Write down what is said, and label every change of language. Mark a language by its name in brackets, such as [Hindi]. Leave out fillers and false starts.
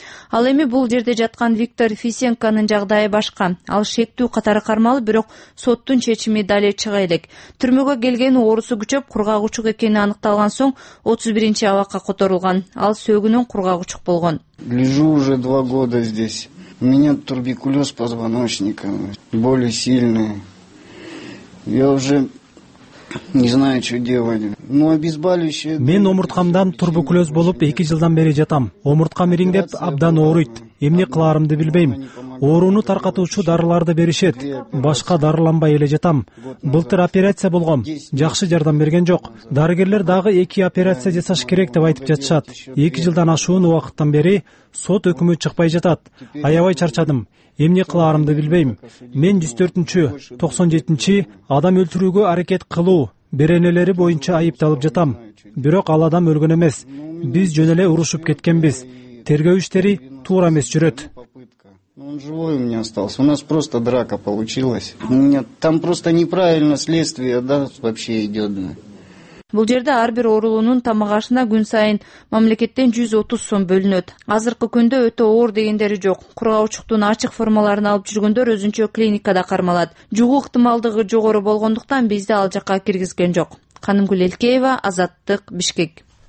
[Kyrgyz] Ал эми бул жерде жаткан Виктор Фисенконун жагдайы башка. Ал шектүү катары кармалып, бирок соттун чечими дале чыга элек. Түрмөгө келген оорусу күчөп, кургак учук экени аныкталган соң 31-чи абакка которулган. Ал сөөгүнөн кургак учук болгон. [Russian] Лежу уже 2 года здесь. У меня туберкулез позвоночника, боли сильные. Я уже не знаю, что делать. Ну, обезболивающее. [Kyrgyz] Мен омурткамдан туберкулез болуп 2 жылдан бери жатам. Омурткам ириңдеп абдан ооруйт. Эмне кылаарымды билбейм. Оорууну таркатуучу дарыларды беришет. Башка дарыланбай эле жатам. Былтыр операция болгом. Жакшы жардам берген жок. Дарыгерлер дагы 2 операция жасаш керек деп айтып жатышат. 2 жылдан ашуун убакыттан бери сот өкүмү чыкпай жатат. Аябай чарчадым. Эмне кылаарымды билбейм. Мен 104-чү, 97-чи адам өлтүрүүгө аракет кылуу беренелери боюнча айыпталып жатам. Бирок ал адам өлгөн эмес. Биз жөн эле урушуп кеткенбиз. Тергөө иштери туура эмес жүрөт. [Russian] Он живой у меня остался. У нас просто драка получилась. У меня там просто неправильно следствие, да, вообще идёт. [Kyrgyz] Бул жерде ар бир оорулуунун тамагашына күн сайын мамлекеттен 130 сом бөлүнөт. Азыркы күндө өтө оор дегендери жок. Кургакчуктун ачык формаларын алып жүргөндөр өзүнчө клиникада кармалат. Жугуу ыктымалдыгы жогору болгондуктан бизди ал жакка киргизген жок. Канымгүл Элкеева, Азаттык, Бишкек.